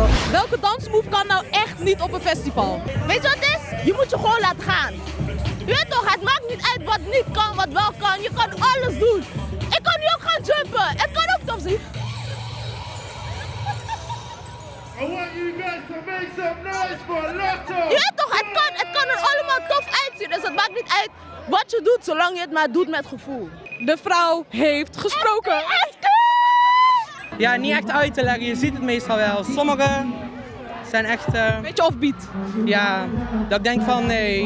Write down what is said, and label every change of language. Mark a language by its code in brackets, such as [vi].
[nl] Welke dansmove kan nou echt niet op een festival? Weet je wat het is? Je moet je gewoon laten gaan. Je weet toch, het maakt niet uit wat niet kan, wat wel kan. Je kan alles doen. Ik kan nu ook gaan jumpen. Ik kan ook top zien. [en] I want you guys to make some noise for Lotto. [nl] Je weet toch, het kan er allemaal tof uitzien. Dus het maakt niet uit wat je doet, zolang je het maar doet met gevoel. De vrouw heeft gesproken. Ja, niet echt uit te leggen. Je ziet het meestal wel. Sommigen zijn echt... Beetje offbeat. Ja, dat ik denk van nee.